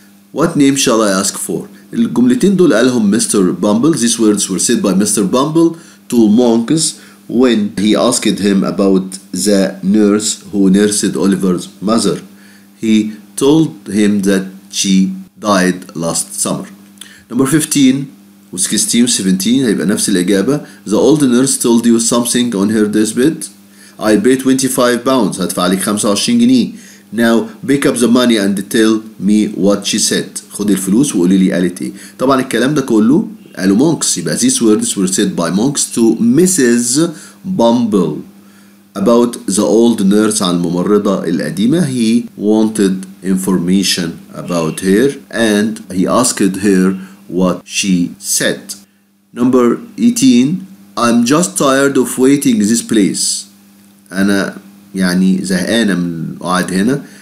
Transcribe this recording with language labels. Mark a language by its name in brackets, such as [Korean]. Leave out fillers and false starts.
[English] What name shall I ask for? [Arabic] الجملتين دول قالهم [English] Mr. Bumble. These words were said by Mr. Bumble to monks when he asked him about the nurse who nursed Oliver's mother. He told him that she died last summer. [Arabic] Number 15 و16 و17 هيبقى نفس الإجابة. [English] The old nurse told you something on her deathbed. I paid 25 pounds. [Arabic] هدفع عليك 25 جنيه. [English] Now pick up the money and tell me what she said. [Arabic] خد الفلوس وقولي لي قالت ايه. طبعا الكلام ده كله قالوا monks. [English] يبقى these words were said by monks to Mrs. Bumble about the old nurse, [Arabic] عن الممرضة القديمة. [English] He wanted information about her and he asked her what she said. Number 18, I'm just tired of waiting this place. [Arabic] أنا يعني زهقانة من قاعد هنا.